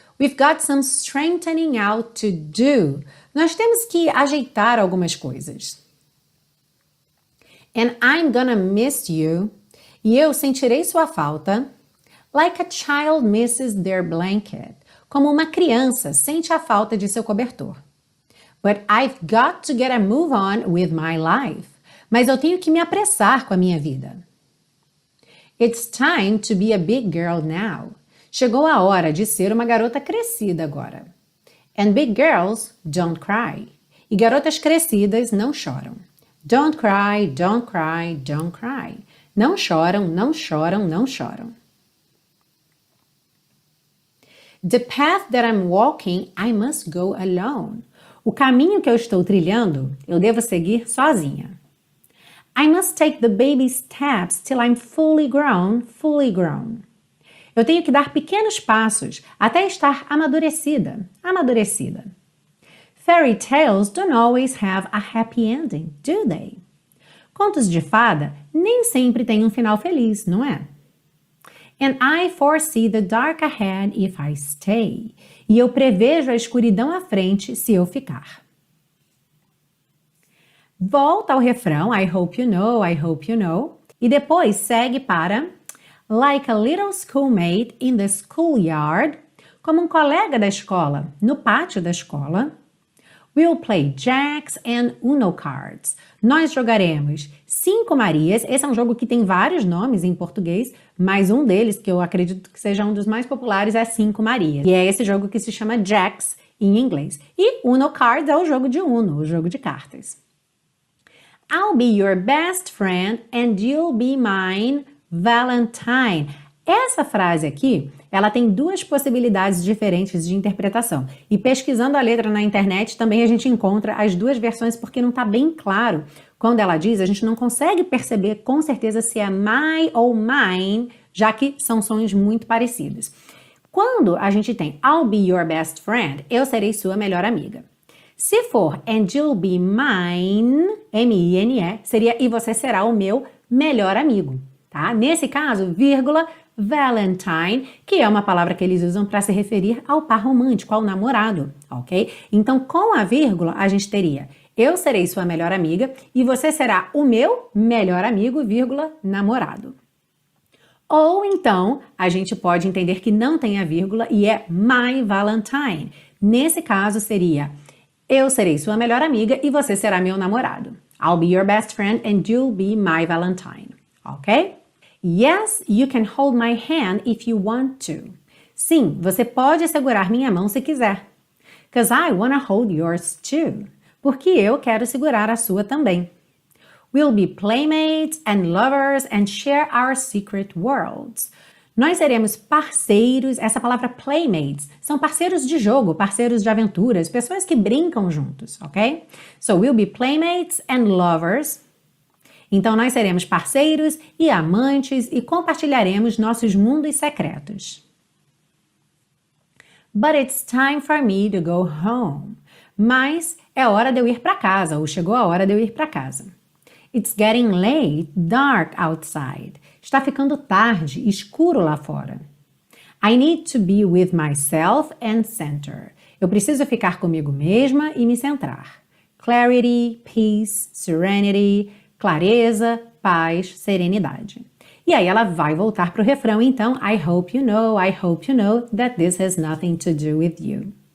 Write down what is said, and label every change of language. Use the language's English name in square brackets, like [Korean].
[English] We've got some strengthening out to do. [Portuguese] Nós temos que ajeitar algumas coisas. [English] And I'm gonna miss you. [Portuguese] E eu sentirei sua falta. [English] Like a child misses their blanket. [Portuguese] Como uma criança sente a falta de seu cobertor. [English] But I've got to get a move on with my life. [Portuguese] Mas eu tenho que me apressar com a minha vida. [English] It's time to be a big girl now. [Portuguese] Chegou a hora de ser uma garota crescida agora. [English] And big girls don't cry. [Portuguese] E garotas crescidas não choram. [English] Don't cry, don't cry, don't cry. [Portuguese] Não choram, não choram, não choram. [English] The path that I'm walking, I must go alone. [Portuguese] O caminho que eu estou trilhando, eu devo seguir sozinha. [English] I must take the baby steps till I'm fully grown, fully grown. [Portuguese] Eu tenho que dar pequenos passos até estar amadurecida, amadurecida. [English] Fairy tales don't always have a happy ending, do they? [Portuguese] Contos de fada nem sempre têm um final feliz, não é? [English] And I foresee the dark ahead if I stay. [Portuguese] E eu prevejo a escuridão à frente se eu ficar. Volta ao refrão, [English] I hope you know, I hope you know. [Portuguese] E depois segue para [English] Like a little schoolmate in the schoolyard. [Portuguese] Como um colega da escola, no pátio da escola. [English] We'll play jacks and uno cards. [Portuguese] Nós jogaremos cinco Marias. Esse é um jogo que tem vários nomes em português, mas um deles, que eu acredito que seja um dos mais populares, é cinco Marias. E é esse jogo que se chama jacks em inglês. E uno cards é o jogo de uno, o jogo de cartas. [English] I'll be your best friend and you'll be mine Valentine. [Portuguese] Essa frase aqui, ela tem duas possibilidades diferentes de interpretação. E pesquisando a letra na internet, também a gente encontra as duas versões porque não está bem claro. Quando ela diz, a gente não consegue perceber com certeza se é my ou mine, já que são sons muito parecidos. Quando a gente tem [English] I'll be your best friend, [Portuguese] eu serei sua melhor amiga. Se for [English] and you'll be mine, [Portuguese] M-I-N-E, seria e você será o meu melhor amigo, tá? Nesse caso, vírgula, Valentine, que é uma palavra que eles usam para se referir ao par romântico, ao namorado, ok? Então, com a vírgula, a gente teria Eu serei sua melhor amiga e você será o meu melhor amigo, vírgula, namorado. Ou então, a gente pode entender que não tem a vírgula e é my Valentine. Nesse caso seria, eu serei sua melhor amiga e você será meu namorado. [English] I'll be your best friend and you'll be my Valentine. Ok? Yes, you can hold my hand if you want to. [Portuguese] Sim, você pode segurar minha mão se quiser. [English] Because I wanna hold yours too. [Portuguese] Porque eu quero segurar a sua também. [English] We'll be playmates and lovers and share our secret worlds. [Portuguese] Nós seremos parceiros, essa palavra playmates, são parceiros de jogo, parceiros de aventuras, pessoas que brincam juntos, ok? [English] So we'll be playmates and lovers. [Portuguese] Então nós seremos parceiros e amantes e compartilharemos nossos mundos secretos. [English] But it's time for me to go home. [Portuguese] Mas é hora de eu ir para casa, ou chegou a hora de eu ir para casa. [English] It's getting late, dark outside. [Portuguese] Está ficando tarde, escuro lá fora. [English] I need to be with myself and center. [Portuguese] Eu preciso ficar comigo mesma e me centrar. [English] Clarity, peace, serenity, [Portuguese] clareza, paz, serenidade. E aí ela vai voltar para o refrão, então, [English] I hope you know that this has nothing to do with you.